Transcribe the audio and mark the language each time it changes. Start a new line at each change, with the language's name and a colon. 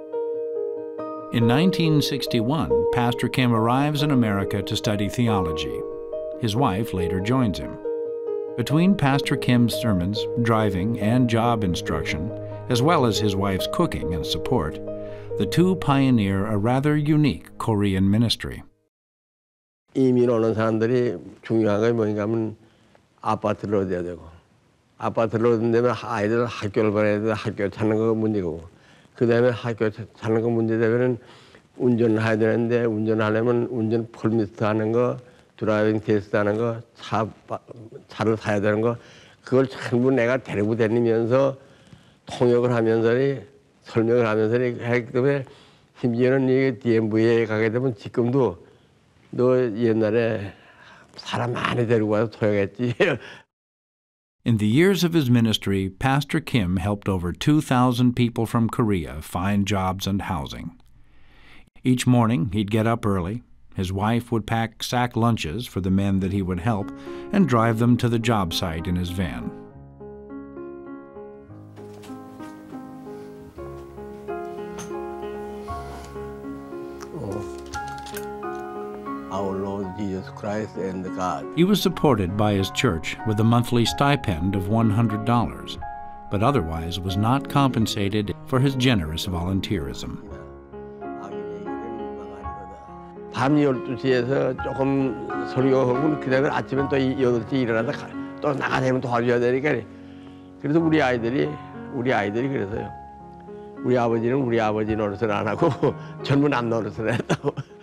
English: In 1961, Pastor Kim arrives in America to study theology. His wife later joins him. Between Pastor Kim's sermons, driving, and job instruction, as well as his wife's cooking and support, the two pioneer a rather unique Korean ministry.
Korean: 이민 오는 사람들이 중요한 게 뭔가 하면 아파트를 얻어야 되고. 아파트를 얻으면 아이들 학교를 보내야 돼, 학교 찾는 거 문제고. 그다음에 학교 사는 거 문제 되면은 운전을 해야 되는데 운전 하려면 운전 퍼미트 하는 거 드라이빙 테스트 하는 거 차를 사야 되는 거 그걸 전부 내가 데리고 다니면서 통역을 하면서 설명을 하면서 했기 때문에 심지어는 이게 DMV에 가게 되면 지금도 너 옛날에 사람 많이 데리고 와서 통역했지.
English: In the years of his ministry, Pastor Kim helped over 2,000 people from Korea find jobs and housing. Each morning, he'd get up early. His wife would pack sack lunches for the men that he would help and drive them to the job site in his van. Our Lord Jesus Christ and God. He was supported by his church with a monthly stipend of $100, but otherwise was not compensated for his generous volunteerism.
Korean: 밤 12시에서 조금 설교 혹은 그다음에 아침에 또 8시에 일어나서 또 나가 되면 도와줘야 되니까 그래서 우리 아이들이 그래서요. 우리 아버지는 우리 아버지 노릇을 안 하고 젊은 남 노릇을 했다고.